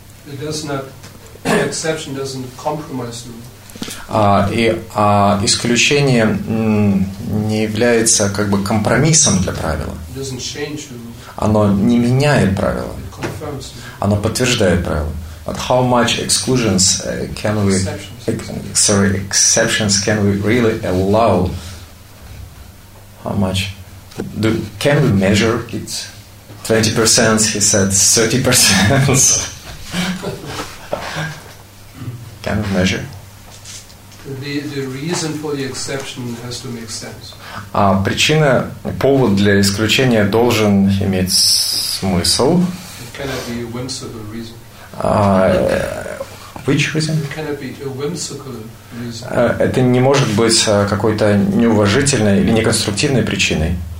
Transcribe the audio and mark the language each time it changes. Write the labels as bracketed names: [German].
[English] It does not. Exception doesn't compromise the rule. [Russian] Исключение не является как бы компромиссом для правила. Оно не меняет правила. Оно подтверждает правила. [English] But how much exclusions can we, exceptions can we really allow? How much? Can we measure it? 20%, he said 30%. Can we measure? The reason for the exception has to make sense. [Russian] Причина, повод для исключения должен иметь смысл. [English] It cannot be a whimsical reason. Which reason? It cannot be a whimsical reason. [Russian] Это не может быть какой-то неуважительной или неконструктивной причиной.